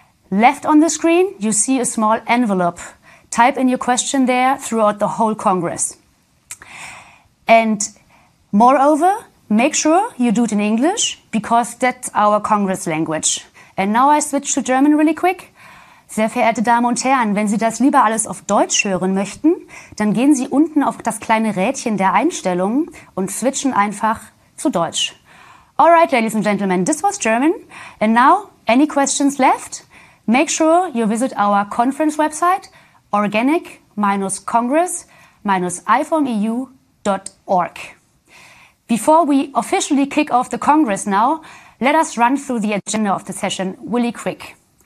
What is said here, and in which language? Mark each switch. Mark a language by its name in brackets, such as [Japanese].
[English] Left on the screen, you see a small envelope. Type in your question there throughout the whole Congress. And moreover, make sure you do it in English, because that's our Congress language. And now I switch to German really quick. [German] Sehr verehrte Damen und Herren, wenn Sie das lieber alles auf Deutsch hören möchten, dann gehen Sie unten auf das kleine Rädchen der Einstellung und switchen einfach zu Deutsch. [English] All right, ladies and gentlemen, this was German. And now, any questions left? Make sure you visit our conference website, organic-congress-iformeu.org. Before we officially kick off the Congress now, let us run through the agenda of the session really quick.